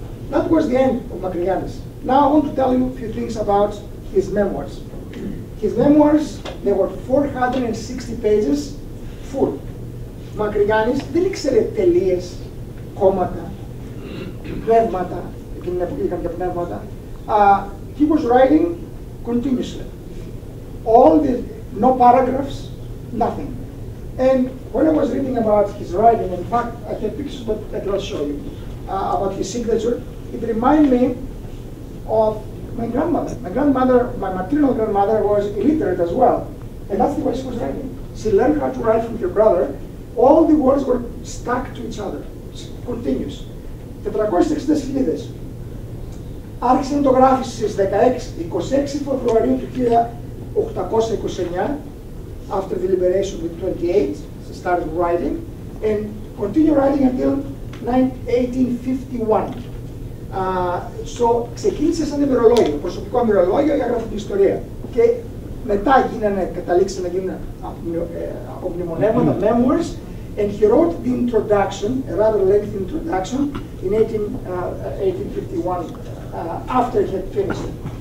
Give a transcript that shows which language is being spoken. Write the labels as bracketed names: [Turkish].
[English] That was the end of Macridanis. Now I want to tell you a few things about his memoirs. His memoirs, they were 460 pages full. [Greek] Μακρυγιάννης δεν ήξερε τελείες, κόμματα, πνεύματα, εκείνη που είχαν και πνεύματα. [English] He was writing continuously. All the, no paragraphs, nothing. And when I was reading about his writing, in fact, I have pictures but I cannot show you, about his signature, it reminded me of my grandmother. My maternal grandmother was illiterate as well. And that's the way she was writing. She learned how to write from her brother. All the words were stuck to each other. Continuous. [Greek] 460 σελίδες. Άρχισε να το γράφει στις 26 Φεβρουαρίου του 1829, [English] after the liberation with 28, he started writing, and continued writing until 1851. [Greek] So, ξεκίνησε σαν ημερολόγιο, προσωπικό ημερολόγιο για να γράφει την ιστορία. Και μετά καταλήξε να γίνουν από μνημονεύματα, memoirs. [English] And he wrote the introduction, a rather lengthy introduction, in 1851, after he had finished it.